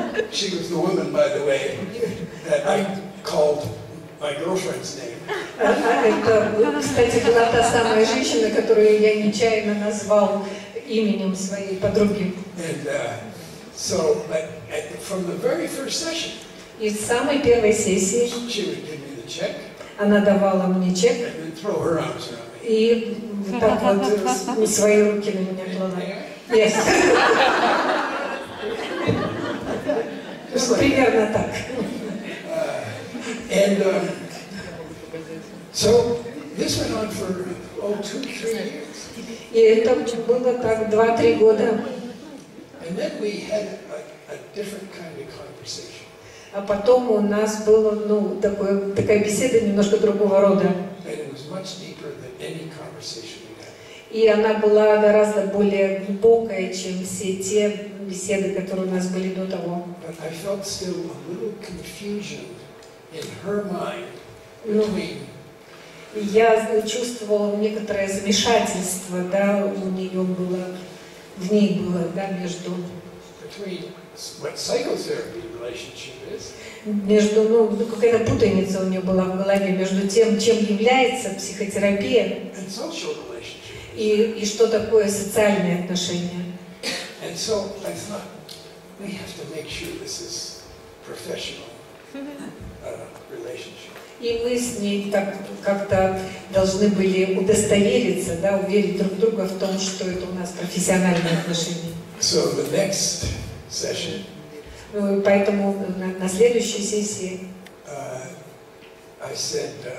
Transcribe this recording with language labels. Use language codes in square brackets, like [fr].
[en] She was the woman, by the way, that I called my girlfriend's name. [ru] Это, кстати, была та самая женщина, которую я нечаянно назвал именем своей подруги. [en] And so, from the very first session. [ru] И с самой первой сессии. [en] She would give me the check. [ru] Она давала мне чек. [en] And throw her arms around. [ru] И так вот свои руки на меня клала. [en] Yes. [ru] Примерно так. [en] And so this went on for oh, 2-3 years. [ru] И это было так 2-3 года. [en] And then we had a different kind of conversation. [ru] А потом у нас было, ну, такое, такая беседа немножко другого рода. [en] And it was much deeper than any conversation we had. [ru] И она была гораздо более глубокая, чем все те беседы, которые у нас были до того. [en] But I felt still a little confusion in her mind between. [ru] Я чувствовала некоторое замешательство, да, у нее было, в ней было, да, между. [en] Between what psychotherapy relationship is. [ru] Между, ну, какая-то путаница у нее была в голове между тем, чем является психотерапия. [en] And social relationship. [ru] И что такое социальные отношения. [en] And so I thought we have to make sure this is professional relationship. [ru] И мы с ней так как-то должны были удостовериться, да, уверить друг друга в том, что это у нас профессиональные отношения. [en] So the next session. [ru] Ну, поэтому на следующей сессии. [en] I said.